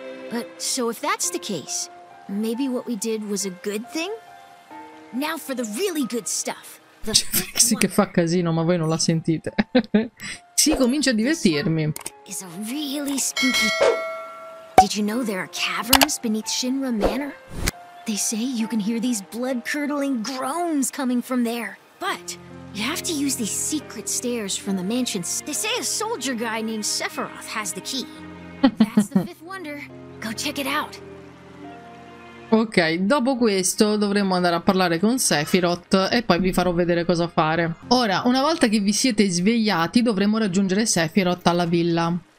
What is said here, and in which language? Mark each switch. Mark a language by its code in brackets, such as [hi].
[en] But so if that's the case, maybe what we did was a good thing? Now for the really good stuff. [it] Sì, che fa casino, ma voi non la sentite. Sì, comincio a divertirmi. [en] Is a really spooky. Did you know there are caverns beneath Shinra Manor? They say you can hear these blood-curdling groans coming from there. But you have to use these secret stairs from the mansion. They say a soldier guy named Sephiroth has the key. That's the fifth wonder. Go check it out. [it] Ok, dopo questo dovremo andare a parlare con Sephiroth e poi vi farò vedere cosa fare. Ora, una volta che vi siete svegliati, dovremo raggiungere Sephiroth alla villa.